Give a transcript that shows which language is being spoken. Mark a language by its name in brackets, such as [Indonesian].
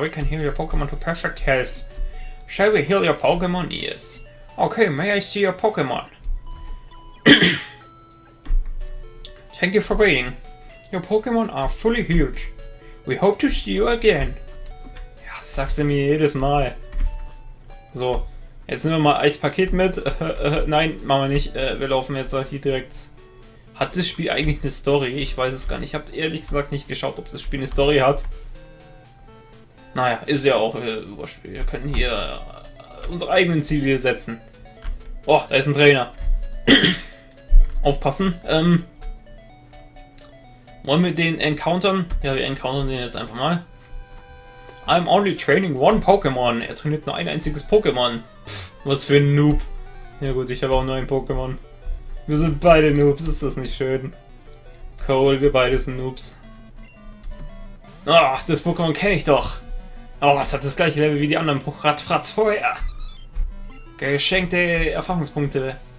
[English] We can heal your Pokémon to perfect health. Shall we heal your Pokémon? Yes. Okay, may I see your Pokémon? Thank you for waiting. Your Pokémon are fully healed. We hope to see you again. [German] Ja, das sagst du mir jedes Mal. So, jetzt nehmen wir mal Eispaket mit. Nein, machen wir nicht. Wir laufen jetzt auch hier direkt. Hat das Spiel eigentlich eine Story? Ich weiß es gar nicht. Ich habe ehrlich gesagt nicht geschaut, ob das Spiel eine Story hat. Naja, ist ja auch. Wir können hier unsere eigenen Ziele setzen. Oh, da ist ein Trainer. Aufpassen. Wollen wir den encountern? Ja, wir encountern den jetzt einfach mal. [English] I'm only training one Pokémon. [German] Er trainiert nur ein einziges Pokémon. Was für ein Noob. Ja gut, ich habe auch nur ein Pokémon. Wir sind beide Noobs, ist das nicht schön? Cool, wir beide sind Noobs. Ach, das Pokémon kenne ich doch. Oh, es hat das gleiche Level wie die anderen Ratfratz vorher. Geschenkte Erfahrungspunkte.